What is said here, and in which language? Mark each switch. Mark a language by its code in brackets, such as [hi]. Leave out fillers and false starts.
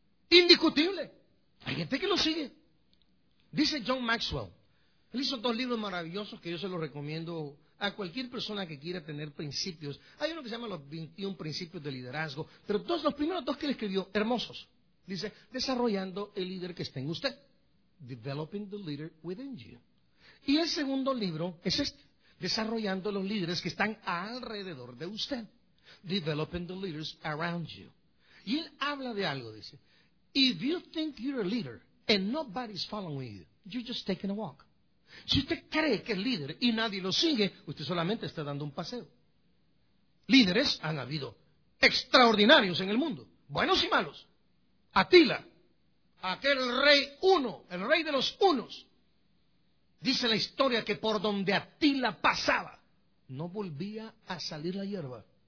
[es] Indiscutible. Hay gente que lo sigue. Dice John Maxwell, él hizo dos libros maravillosos que yo se los recomiendo a cualquier persona que quiera tener principios. Hay uno que se llama los 21 principios de liderazgo, pero los primeros dos que él escribió, hermosos. Dice, desarrollando el líder que está en usted. [en] Developing the leader within you. [es] Y el segundo libro es este, desarrollando los líderes que están alrededor de usted. [en] Developing the leaders around you. [es] Y él habla de algo, dice, [en] if you think you're a leader and nobody's following you, you're just taking a walk. [es] Si usted cree que es líder y nadie lo sigue, usted solamente está dando un paseo. Líderes han habido extraordinarios en el mundo, buenos y malos. Atila, aquel rey uno, el rey de los unos, dice la historia que por donde Atila pasaba, no volvía a salir la hierba.